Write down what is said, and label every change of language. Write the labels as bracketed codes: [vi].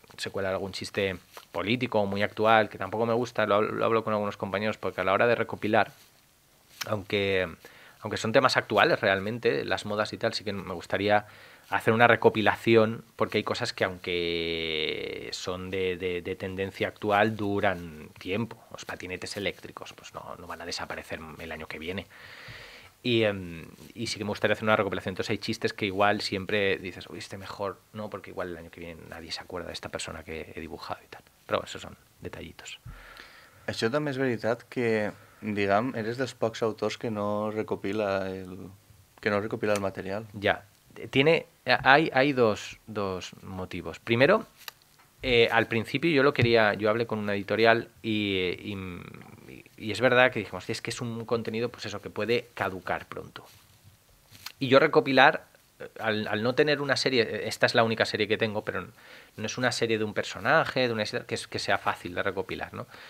[es] Se cuela algún chiste político muy actual, que tampoco me gusta, lo hablo con algunos compañeros, porque a la hora de recopilar, aunque son temas actuales realmente, las modas y tal, sí que me gustaría hacer una recopilación, porque hay cosas que aunque son de tendencia actual, duran tiempo. Los patinetes eléctricos pues no van a desaparecer el año que viene. Y sí que me gustaría hacer una recopilación. Entonces hay chistes que igual siempre dices, uy, este mejor no, porque igual el año que viene nadie se acuerda de esta persona que he dibujado y tal. Però bueno, esos son detallitos. [ca] Això també és veritat, que diguem, eres dels pocs autors que no recopila el material. [es] Ja. Hay dos motivos. Primero, al principio yo hablé con una editorial y es verdad que dijimos, es que es un contenido, pues eso, que puede caducar pronto. Y yo recopilar, al no tener una serie, esta es la única serie que tengo, pero no es una serie de un personaje, de una historia, que sea fácil de recopilar, ¿no?